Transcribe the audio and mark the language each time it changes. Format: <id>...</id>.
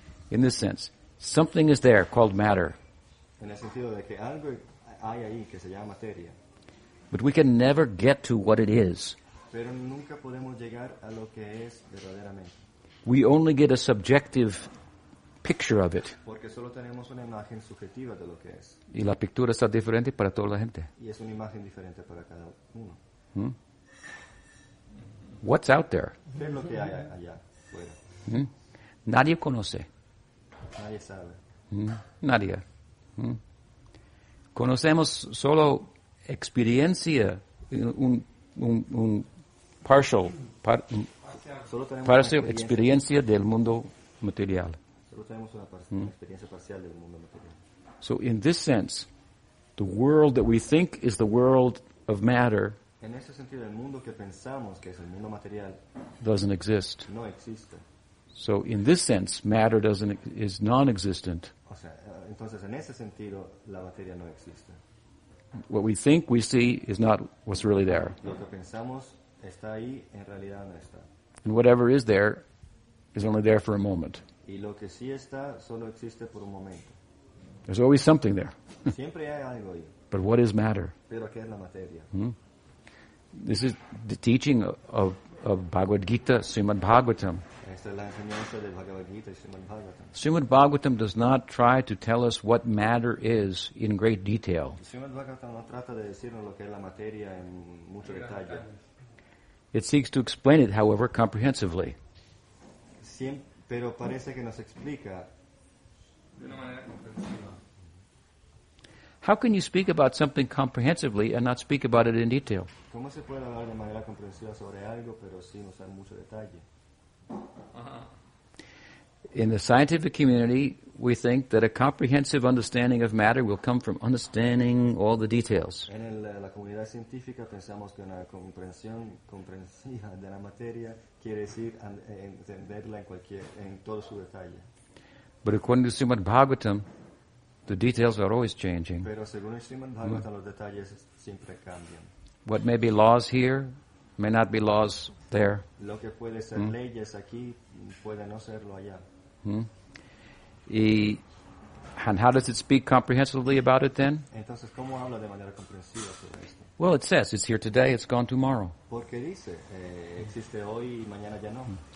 <en>In this sense, something is there called matter.</en> <es>En el sentido de que algo hay ahí que se llama materia.</es> <en>But we can never get to what it is.</en> <es>Pero nunca podemos llegar a lo que es verdaderamente.</es> <en>We only get a subjective picture of it.</en> <es>Porque solo tenemos una imagen subjetiva de lo que es. Y la pintura está diferente para toda la gente. Y es una imagen diferente para cada uno.</es> <en>What's out there?</en> <es>¿Qué es lo que hay allá fuera? Nadie conoce. Nadie sabe. Nadie. Conocemos solo experiencia, un parcial experiencia del mundo material. Solo tenemos una experiencia parcial del mundo material.</es> <en>So in this sense, the world that we think is the world of matter</en> <es>En ese sentido, el mundo que pensamos que es el mundo material</es> <en>doesn't exist.</en> <es>No existe.</es> <en>So in this sense, matter is non-existent.</en> <es>O sea, entonces, en ese sentido, la materia no existe.</es> <en>What we think we see is not what's really there.</en> <es>Lo que pensamos está ahí, en realidad no está.</es> <en>And whatever is there is only there for a moment.</en> <es>Y lo que sí está solo existe por un momento.</es> <en>There's always something there.</en> <es>Siempre hay algo ahí.</es> <en>But what is matter?</en> <es>Pero ¿qué es la materia? Hmm?</es> <en>This is the teaching of Bhagavad Gita, Srimad Bhagavatam.</en> <es>Esta es la enseñanza de Bhagavad Gita, Srimad Bhagavatam.</es> <en>Srimad Bhagavatam does not try to tell us what matter is in great detail.</en> <es>Srimad Bhagavatam no trata de decirnos lo que es la materia en mucho detalle.</es> <en>It seeks to explain it, however, comprehensively.</en> <es>Pero parece que nos explica. De una manera comprensiva.</es> <en>How can you speak about something comprehensively and not speak about it in detail?</en> <es>¿Cómo se puede hablar de manera comprensiva sobre algo, pero sin usar mucho detalle?</es> <en>In the scientific community, we think that a comprehensive understanding of matter will come from understanding all the details.</en> <es>En la comunidad científica pensamos que una comprensión comprensiva de la materia quiere decir entenderla en cualquier, en todo su detalle.</es> <en>But according to Srimad Bhagavatam, the details are always changing.</en> <es>Pero según el Srimad Bhagavatam, los detalles siempre cambian.</es> <en>What may be laws here may not be laws there.</en> <es>Lo que puede ser leyes aquí puede no serlo allá.</es> <en>And how does it speak comprehensively about it then?</en> <es>Entonces, ¿cómo habla de manera comprensiva sobre esto?</es> <en>Well, it says it's here today, it's gone tomorrow.</en> <es>Porque dice, existe hoy y mañana ya no.</es>